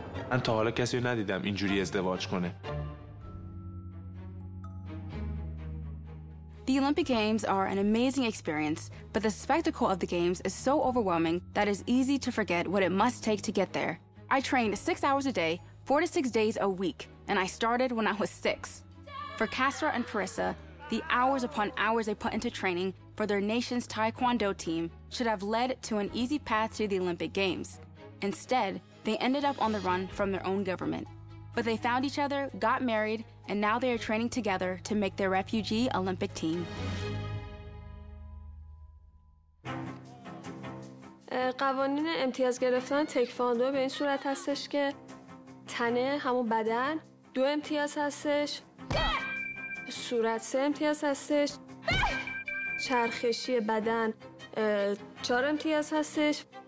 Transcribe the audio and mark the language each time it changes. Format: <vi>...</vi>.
<fa>من تا حالا کسی رو ندیدم اینجوری ازدواج کنه.</fa> <en>The Olympic Games are an amazing experience, but the spectacle of the games is so overwhelming that it's easy to forget what it must take to get there. I train 6 hours a day, 4 to 6 days a week, and I started when I was 6. For Kasra and Parisa, the hours upon hours they put into training for their nation's Taekwondo team should have led to an easy path to the Olympic Games. Instead, they ended up on the run from their own government. But they found each other, got married, and now they are training together to make their refugee Olympic team.</en> <fa>قوانین امتیاز گرفتن تکواندو به این صورت هستش که تنه، همون بدن، 2 امتیاز هستش. صورت 3 امتیاز هستش. چرخشی بدن 4 امتیاز هستش.</fa>